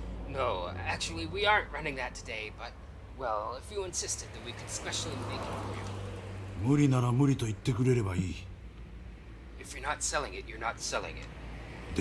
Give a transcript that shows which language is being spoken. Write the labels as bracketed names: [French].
[English] No, actually we aren't running that today, but well, if you insisted, then we could specially make it for you. [Japanese] 無理なら無理と言ってくれればいい。 [English] If you're not selling it, you're not selling it.